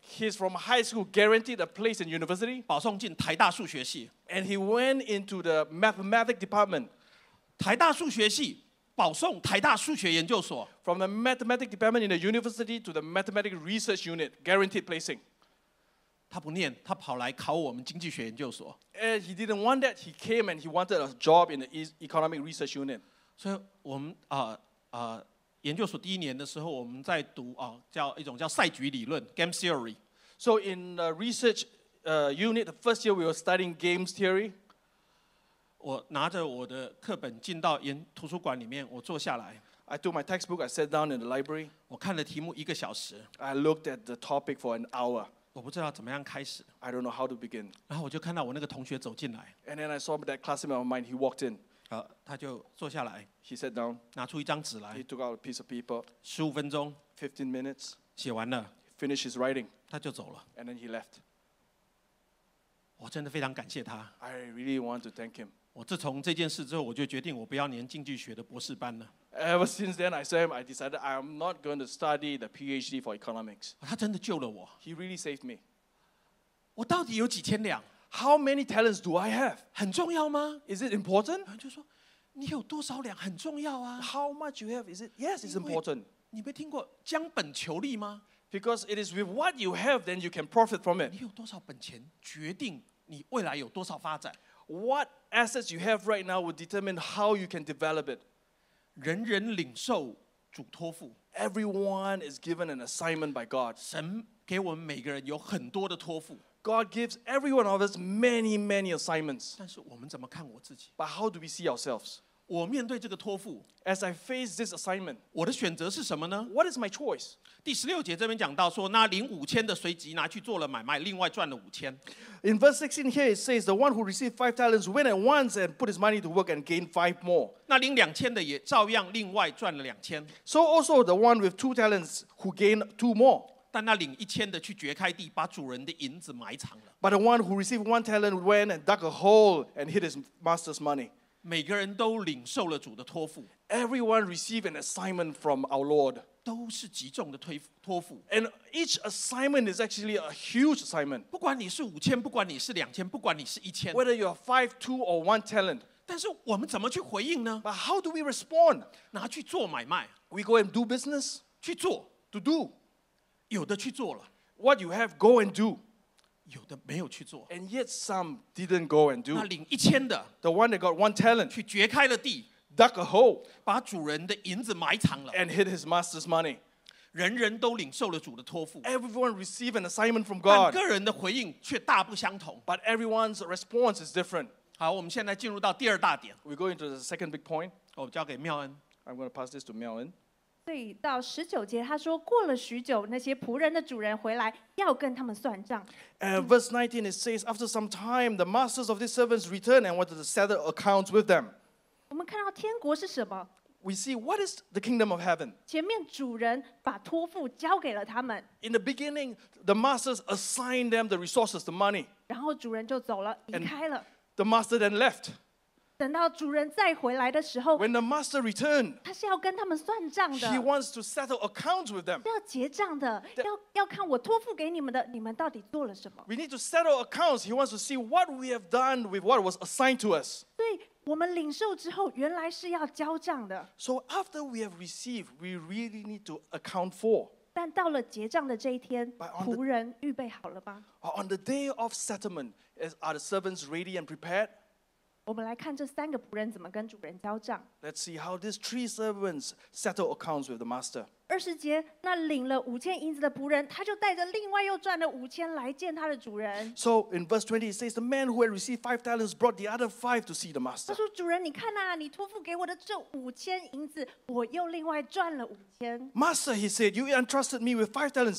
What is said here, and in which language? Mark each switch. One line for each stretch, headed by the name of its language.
English: He's from high school, guaranteed a place in university.
Chinese: 保送进台大数学系。
English: And he went into the mathematics department.
Chinese: 台大数学系保送台大数学研究所
English: ，from the mathematics department in the university to the mathematics research unit, guaranteed placing.
Chinese: 他不念，他跑来考我们经济学研究所。
English: And he didn't want that. He came and he wanted a job in the economic research unit.
Chinese: 所以我们研究所第一年的时候，我们在读叫一种叫赛局理论 game theory.
English: So in the research unit, the first year we were studying games theory.
Chinese: 我拿着我的课本进到图书馆里面，我坐下来。
English: I took my textbook. I sat down in the library.
Chinese: 我看了题目一个小时。
English: I looked at the topic for an hour.
Chinese: 我不知道怎么样开始。
English: I don't know how to begin.
Chinese: 然后我就看到我那个同学走进来。
English: And then I saw that classmate of mine. He walked in.
Chinese: 他就坐下来。
English: He sat down.
Chinese: 拿出一张纸来。
English: He took out a piece of paper.
Chinese: 十五分钟。
English: 15 minutes.
Chinese: 写完了。
English: Finished his writing.
Chinese: 他就走了。
English: And then he left.
Chinese: 我真的非常感谢他。
English: I really want to thank him.
Chinese: 我自从这件事之后，我就决定我不要念经济学的博士班了。
English: Ever since then, I said I decided I am not going to study the PhD for economics.
Chinese: 他真的救了我。
English: He really saved me.
Chinese: 我到底有几千两
English: ？How many talents do I have?
Chinese: 很重要吗
English: ？Is it important?
Chinese: 就说你有多少两很重要啊。
English: How much you have? Is it? Yes, it's important.
Chinese: 你没听过将本求利吗
English: ？Because it is with what you have, then you can profit from it.
Chinese: 你有多少本钱，决定你未来有多少发展。
English: What assets you have right now will determine how you can develop it.
Chinese: 人人领受主托付。
English: Everyone is given an assignment by God.
Chinese: 神给我们每个人有很多的托付。
English: God gives every one of us many, many assignments.
Chinese: 但是我们怎么看我自己？
English: But how do we see ourselves?
Chinese: 我面对这个托付。
English: As I face this assignment,
Chinese: 我的选择是什么呢？
English: What is my choice?
Chinese: 第十六节这边讲到说，那领五千的随即拿去做了买卖，另外赚了五千。
English: In verse 16 here it says, the one who received five talents went at once and put his money to work and gained five more.
Chinese: 那领两千的也照样另外赚了两千。
English: So also the one with two talents who gained two more.
Chinese: 但那领一千的去掘开地，把主人的银子埋藏了。
English: But the one who received one talent went and dug a hole and hid his master's money.
Chinese: 每个人都领受了主的托付。
English: Everyone received an assignment from our Lord.
Chinese: 都是极重的托付。
English: And each assignment is actually a huge assignment.
Chinese: 不管你是五千，不管你是两千，不管你是一千。
English: Whether you are five, two, or one talent.
Chinese: 但是我们怎么去回应呢
English: ？But how do we respond?
Chinese: 拿去做买卖。
English: We go and do business.
Chinese: 去做
English: ，to do.
Chinese: 有的去做了。
English: What you have, go and do.
Chinese: 有的没有去做。
English: And yet some didn't go and do.
Chinese: 那领一千的
English: ，the one that got one talent,
Chinese: 去掘开了地。
English: Dug a hole,
Chinese: 把主人的银子埋藏了
English: and hid his master's money.
Chinese: 人人都领受了主的托付
English: Everyone received an assignment from God.
Chinese: 但个人的回应却大不相同
English: But everyone's response is different.
Chinese: 好，我们现在进入到第二大点
English: We go into the second big point.
Chinese: 我交给妙恩
English: I'm going to pass this to 妙恩
Chinese: 对，到十九节，他说过了许久，那些仆人的主人回来，要跟他们算账。
English: And verse 19 it says, after some time, the masters of these servants returned and wanted to settle accounts with them.
Chinese: 我们看到天国是什么
English: we see what is the kingdom of heaven.
Chinese: 前面主人把托付交给了他们。
English: In the beginning, the masters assigned them the resources, the money.
Chinese: 然后主人就走了，离开了。
English: And the master then left.
Chinese: 等到主人再回来的时候，
English: when the master returned,
Chinese: 他是要跟他们算账的。
English: He wants to settle accounts with them.
Chinese: 要结账的，要看我托付给你们的，你们到底做了什么。
English: We need to settle accounts. He wants to see what we have done with what was assigned to us.
Chinese: 对。我们领受之后，原来是要交账的。
English: So after we have received, we really need to account for.
Chinese: 但到了结账的这一天，仆人预备好了吗？
English: On the day of settlement, are the servants ready and prepared?
Chinese: 我们来看这三个仆人怎么跟主人交账。
English: Let's see how these three servants settle accounts with the master.
Chinese: 二十节，那领了五千银子的仆人，他就带着另外又赚了五千来见他的主人。
English: So in verse 20, it says the man who had received five talents brought the other five to see the master.
Chinese: 他说：“主人，你看呐，你托付给我的这五千银子，我又另外赚了五千。”
English: Master, he said, "You entrusted me with five talents.